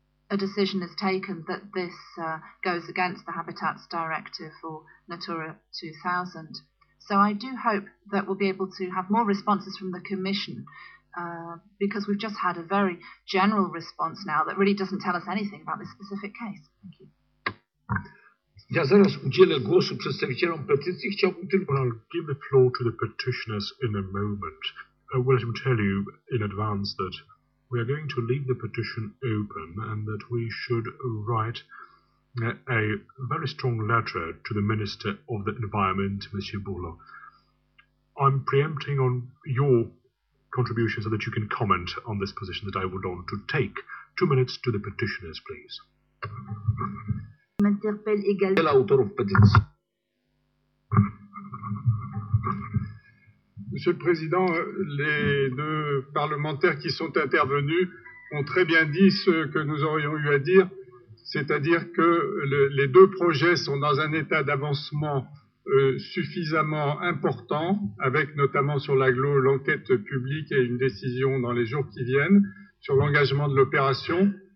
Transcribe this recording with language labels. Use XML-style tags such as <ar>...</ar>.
<en>a decision is taken that this goes against the Habitats Directive or Natura 2000. So I do hope that we'll be able to have more responses from the Commission, because we've just had a very general response now that really doesn't tell us anything about this specific case. Thank you.</en> <pl>Ja zaraz udzielę głosu przedstawicielom petycji. Chciałbym tylko...</pl> <en>I'll give the floor to the petitioners in a moment. I will tell you in advance that we are going to leave the petition open and that we should write a very strong letter to the Minister of the Environment, Monsieur Bourla. I'm preempting on your contribution so that you can comment on this position that I would want to take. 2 minutes to the petitioners, please.</en> <fr>M'interpelle également l'autorité petite. Monsieur le Président, les deux parlementaires qui sont intervenus ont très bien dit ce que nous aurions eu à dire, c'est-à-dire que les deux projets sont dans un état d'avancement suffisamment important, avec notamment sur l'aglo l'enquête publique et une décision dans les jours qui viennent sur l'engagement de l'opération.</fr>